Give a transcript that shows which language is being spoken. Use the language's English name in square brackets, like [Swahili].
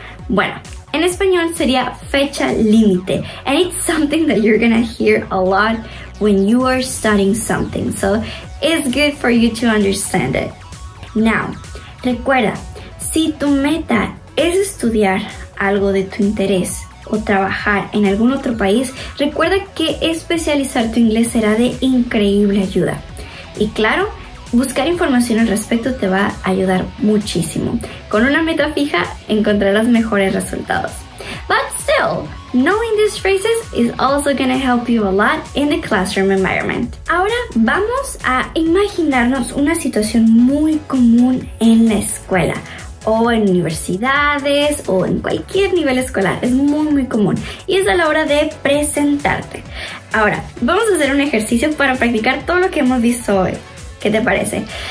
[Spanish] Bueno, en español sería fecha límite, [English] and it's something that you're gonna hear a lot when you are studying something, so it's good for you to understand it. [Spanish] Now, recuerda, si tu meta es estudiar algo de tu interés o trabajar en algún otro país, recuerda que especializar tu inglés será de increíble ayuda. Y claro, buscar información al respecto te va a ayudar muchísimo. Con una meta fija, encontrarás mejores resultados. [English] But still, knowing these phrases is also gonna help you a lot in the classroom environment. [Spanish] Ahora vamos a imaginarnos una situación muy común en la escuela, o en universidades, o en cualquier nivel escolar. Es muy, muy común. Y es a la hora de presentarte. Ahora, vamos a hacer un ejercicio para practicar todo lo que hemos visto hoy. ¿Qué te parece?